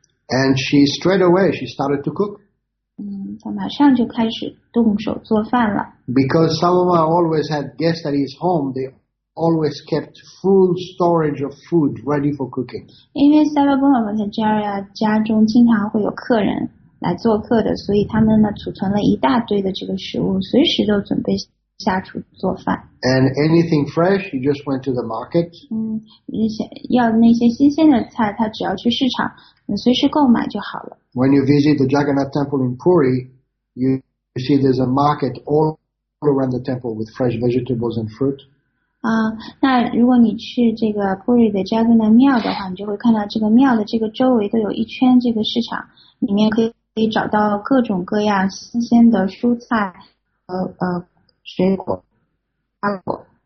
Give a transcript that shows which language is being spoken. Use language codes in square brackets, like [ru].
[en] And she straight away she started to cook. [zh] 她马上就开始动手做饭了。 [en] Because Sarvabhauma always had guests at his home, they always kept full storage of food ready for cooking. [zh] 因为 Sarvabhauma Bhattacharya 家中经常会有客人来做客的，所以他们呢储存了一大堆的这个食物，随时都准备下厨做饭。 [en] And anything fresh, he just went to the market. [zh] 要那些新鲜的菜，他只要去市场，随时购买就好了。 [en] When you visit the Jagannath Temple in Puri, you see there's a market all around the temple with fresh vegetables and fruit. [zh] 那如果你去这个 Puri 的 Jagannath 庙的话，你就会看到这个庙的这个周围都有一圈这个市场，里面可以找到各种各样新鲜的蔬菜和水果、瓜果。